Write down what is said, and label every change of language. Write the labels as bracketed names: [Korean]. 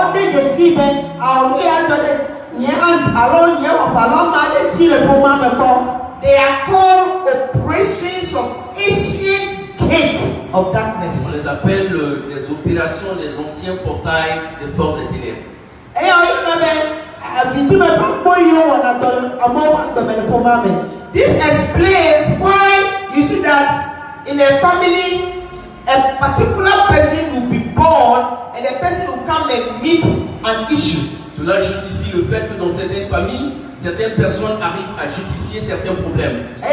[English] They are called operations of ancient gates of darkness. [French] On les appelle les opérations des anciens portails des forces des ténèbres. [English] This explains why you see that in a family, a particular person will be born and a person will come and meet an issue. [French] Cela justifie le fait que dans certaines familles, certaines personnes arrivent à justifier certains problèmes.